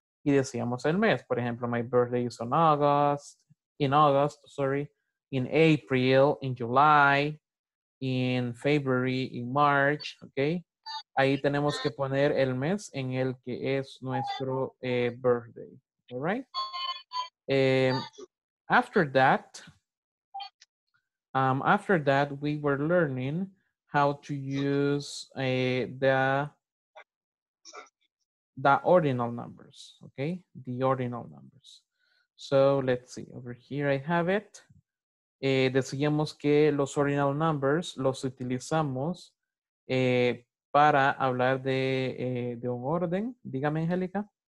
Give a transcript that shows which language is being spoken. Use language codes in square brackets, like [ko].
[es] y decíamos el mes. Por ejemplo, [en] my birthday is in August, in April, in July, in February, in March, okay? [es] Ahí tenemos que poner el mes en el que es nuestro birthday, [en] all right? After that, we were learning how to use the ordinal numbers, okay? The ordinal numbers. So let's see, over here I have it. [es] Decíamos que los [en] ordinal numbers [es] los utilizamos para hablar de un orden. Dígame, Angélica.